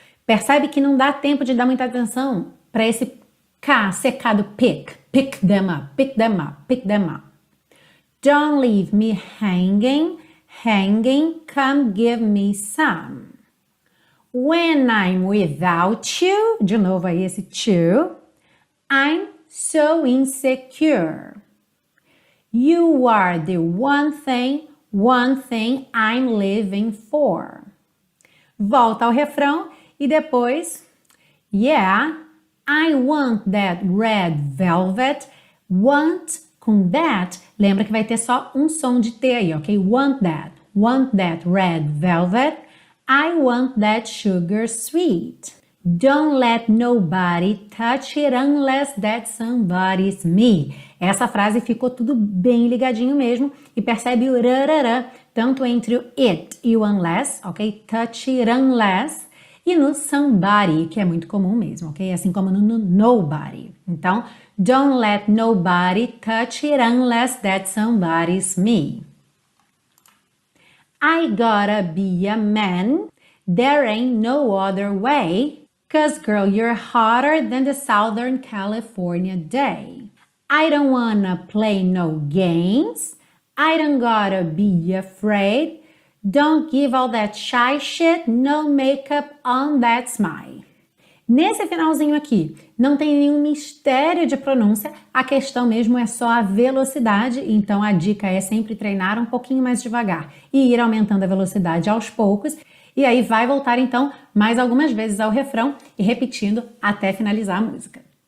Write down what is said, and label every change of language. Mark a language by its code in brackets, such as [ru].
[pt] Percebe que não dá tempo de dar muita atenção para esse K, secado, pick, [en] pick them up, pick them up, [pt] pick them up. [en] Don't leave me hanging, hanging, come give me some. When I'm without you, [pt] de novo aí esse to, [en] I'm so insecure. You are the one thing I'm living for. [pt] Volta ao refrão e depois, yeah. [en] I want that red velvet. Want com that. [pt] Lembra que vai ter só um som de T aí, ok? [en] Want that red velvet. I want that sugar sweet. Don't let nobody touch it unless that somebody's me. [pt] Essa frase ficou tudo bem ligadinho mesmo e percebe o rarara, tanto entre o it e o unless, ok? [en] Touch it unless. [pt] E no somebody, que é muito comum mesmo, ok? Assim como no nobody. Então, [en] don't let nobody touch it unless that somebody's me. I gotta be a man, there ain't no other way, 'cause girl, you're hotter than the Southern California day. I don't wanna play no games, I don't gotta be afraid. Don't give all that shy shit, no makeup on that smile. [pt] Nesse finalzinho aqui, não tem nenhum mistério de pronúncia, a questão mesmo é só a velocidade, então a dica é sempre treinar um pouquinho mais devagar e ir aumentando a velocidade aos poucos, e aí vai voltar então mais algumas vezes ao refrão e repetindo até finalizar a música.